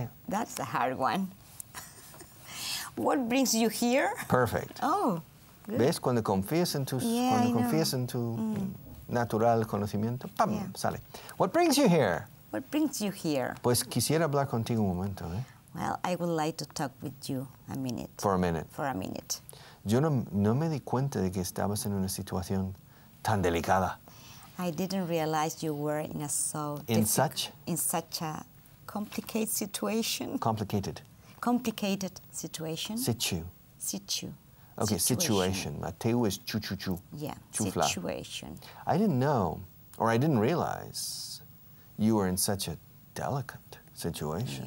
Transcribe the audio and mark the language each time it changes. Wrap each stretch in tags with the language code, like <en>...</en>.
<en>That's a hard one. What brings you here? Perfect. Oh, good.</en> <es>¿Ves? Cuando confías en tu,</es> <en>yeah,</en> <es>cuando</es> <en>I know.</en> <es>Confías en tu natural conocimiento, ¡pam! Yeah. Sale.</es> <en>What brings you here? What brings you here?</en> <es>Pues quisiera hablar contigo un momento, ¿eh?</es> <en>Well, I would like to talk with you a minute. For a minute. For a minute.</en> <es>Yo no me di cuenta de que estabas en una situación tan delicada.</es> <en>I didn't realize you were in a so In such a complicated situation. Complicated. Complicated situation. Situ. Situ. Okay, situation. Mateo is chu-chu-chu. Yeah, chufla. Situation. I didn't know, or I didn't realize, you were in such a delicate situation.</en>